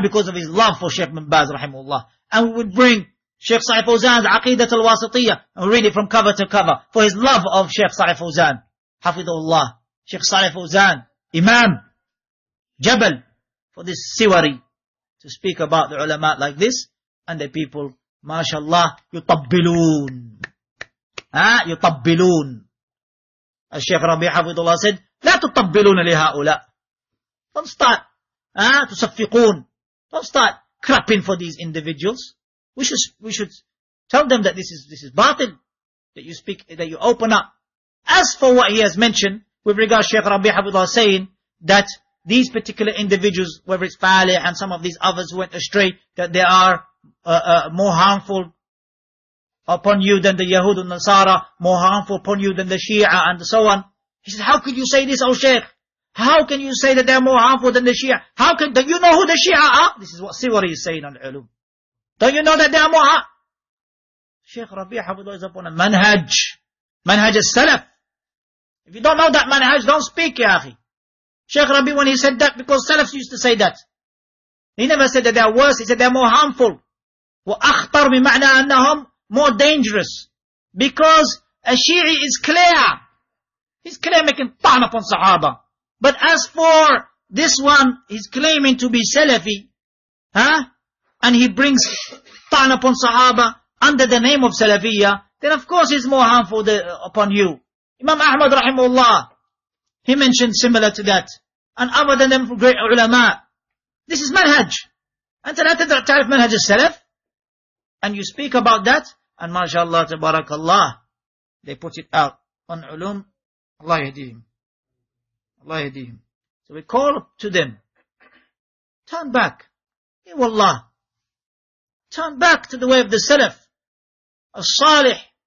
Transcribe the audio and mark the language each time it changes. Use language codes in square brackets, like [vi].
[en] Because of his love for Sheikh bin Baz, rahimullah. And we would bring Sheikh Salih Fawzan's Aqidat al-Wasatiyya and read it from cover to cover for his love of Sheikh Salih Fawzan. Hafidhullah. Sheikh Salih Fawzan, Imam Jabal, for this Siwari to speak about the ulama like this, and the people, mashallah, yutabbilun. Yutabbilun. [ar] الشيخ ربيع حفظ الله [en] said, [ar] لا تطبلون لهؤلاء. [en] Don't start. تصفقون. Don't start crapping for these individuals. We should tell them that this is batil. That you speak, that you open up. As for what he has mentioned, with regard to Sheikh ربيع حفظ الله saying, that these particular individuals, whether it's Fale and some of these others who went astray, that they are more harmful upon you than the Yahud and Nasara, more harmful upon you than the Shia and so on. He said, how could you say this, O Shaykh? How can you say that they are more harmful than the Shia? How can, don't you know who the Shia are? This is what Siwari is saying on Ulum. Don't you know that they are more harmful? Sheikh Rabi' Hafidullah is upon a manhaj. Manhaj al-Salaf. If you don't know that manhaj, don't speak, ya akhi. Sheikh Rabi, when he said that, because Salafs used to say that. He never said that they are worse, he said they are more harmful. [ar] وَأَخْطَرْ بِمَعْنَىٰ أَنَّهُمْ [en] more dangerous. Because a Shi'i is clear. He's clear making ta'an upon Sahaba. But as for this one, he's claiming to be Salafi. Huh? And he brings ta'an upon Sahaba under the name of Salafiyya. Then of course he's more harmful upon you. Imam Ahmad rahimullah, he mentioned similar to that. And other than them from great ulama. This is manhaj. [ar] أنت لا تعرف manhaj السلف. [en] And you speak about that, and mashallah, tabarakallah, they put it out on ulum. Allah yadihim. Allah yadihim. So we call to them, turn back. Ya wallah. Turn back to the way of the salaf. As-salih.